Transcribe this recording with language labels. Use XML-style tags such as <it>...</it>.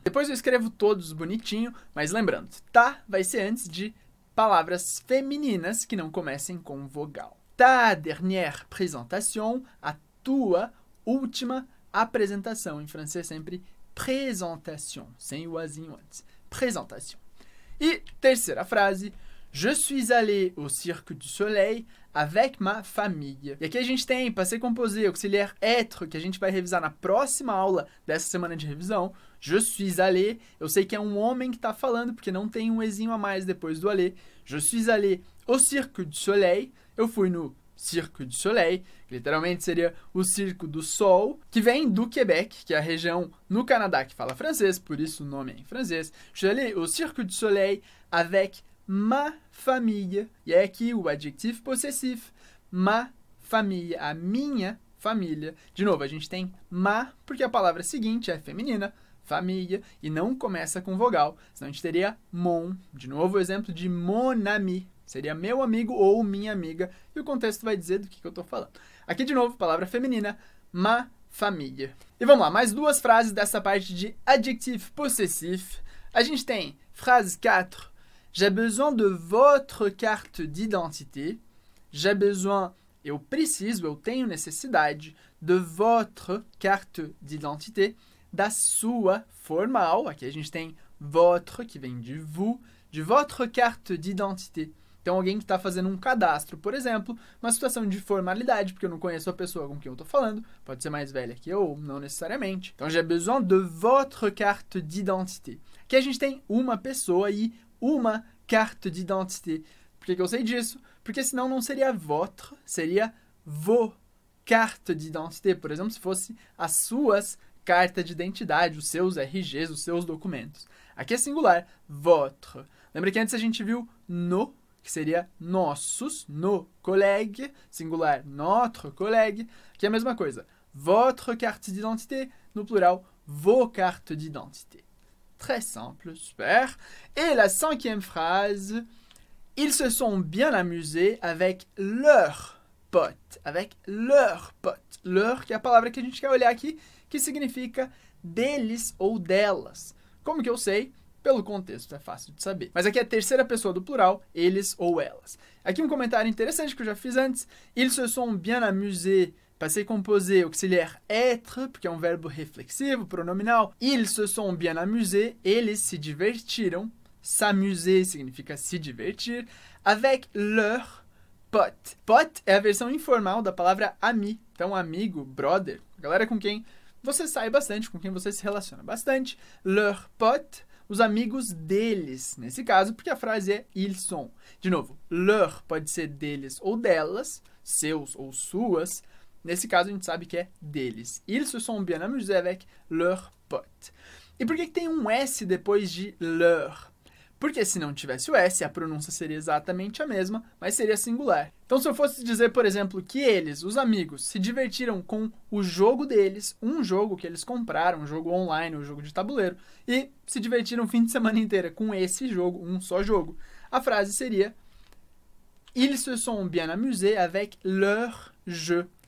<pt>Depois eu escrevo todos bonitinho, mas lembrando, ta vai ser antes de palavras femininas que não comecem com vogal.</pt> <fr>Ta dernière présentation,</fr> <pt>a tua última apresentação. Em francês, sempre présentation, sem o azinho antes.</pt> <fr>Présentation.</fr> <pt>E terceira frase:</pt> <fr>je suis allé au Cirque du Soleil avec ma famille.</fr> <pt>E aqui a gente tem passé composé, auxiliaire être, que a gente vai revisar na próxima aula dessa semana de revisão.</pt> <fr>Je suis allé,</fr> <pt>eu sei que é um homem que está falando, porque não tem um ezinho a mais depois do allé.</pt> <fr>Je suis allé au Cirque du Soleil,</fr> <pt>eu fui no Cirque du Soleil, que literalmente seria o Circo do Sol, que vem do Quebec, que é a região no Canadá que fala francês, por isso o nome é em francês.</pt> <fr>Je suis allé au Cirque du Soleil avec ma família,</fr> <pt>e é aqui o adjetivo possessif, ma família, a minha família. De novo, a gente tem ma, porque a palavra seguinte é feminina, família, e não começa com vogal. Senão a gente teria mon. De novo, o exemplo de</pt> <fr>mon ami.</fr> <pt>Seria meu amigo ou minha amiga. E o contexto vai dizer do que eu tô falando. Aqui, de novo, palavra feminina, ma, família. E vamos lá, mais duas frases dessa parte de adjectif possessif. A gente tem frase 4.</pt> <fr>J'ai besoin de votre carte d'identité. J'ai besoin,</fr> <pt>eu preciso, eu tenho necessidade,</pt> <fr>de votre carte d'identité,</fr> <pt>da sua formal. Aqui a gente tem votre, que vem de vous,</pt> <fr>de votre carte d'identité.</fr> <pt>Então, alguém que está fazendo um cadastro, por exemplo, uma situação de formalidade, porque eu não conheço a pessoa com quem eu estou falando, pode ser mais velha que eu, ou não necessariamente. Então,</pt> <fr>j'ai besoin de votre carte d'identité.</fr> <pt>Aqui a gente tem uma pessoa e uma carte d'identité. Por que eu sei disso? Porque senão não seria votre, seria</pt> <fr>vos cartes d'identité.</fr> <pt>Por exemplo, se fosse as suas cartas de identidade, os seus RGs, os seus documentos. Aqui é singular, votre. Lembra que antes a gente viu no, que seria nossos, no collègue, singular, notre collègue. Aqui é a mesma coisa,</pt> <fr>votre carte d'identité,</fr> <pt>no plural,</pt> <fr>vos cartes d'identité. Très simple, super. Et la cinquième phrase, ils se sont bien amusés avec leur pote. Avec leur pote.</fr> <pt>Leur, que é a palavra que a gente quer olhar aqui, que significa deles ou delas. Como que eu sei? Pelo contexto, é fácil de saber. Mas aqui é a terceira pessoa do plural, eles ou elas. Aqui um comentário interessante que eu já fiz antes.</pt> <fr>Ils se sont bien amusés.</fr> <pt>Passé composé, auxiliaire être, porque é um verbo reflexivo, pronominal.</pt> <fr>Ils se sont bien amusés,</fr> <pt>eles se divertiram. S'amuser significa se divertir.</pt> <fr>Avec leur pote.</fr> <pt>Pote é a versão informal da palavra ami. Então, amigo, brother, galera com quem você sai bastante, com quem você se relaciona bastante.</pt> <fr>Leur pote,</fr> <pt>os amigos deles, nesse caso, porque a frase é</pt> <fr>ils sont.</fr> <pt>De novo, leur pode ser deles ou delas, seus ou suas. Nesse caso, a gente sabe que é deles.</pt> <fr>Ils se sont bien amusés avec leur pote.</fr> <pt>E por que tem um S depois de leur? Porque se não tivesse o S, a pronúncia seria exatamente a mesma, mas seria singular. Então, se eu fosse dizer, por exemplo, que eles, os amigos, se divertiram com o jogo deles, um jogo que eles compraram, um jogo online, um jogo de tabuleiro, e se divertiram o fim de semana inteira com esse jogo, um só jogo, a frase seria</pt> <fr>ils se sont bien amusés avec leur jeu.</fr>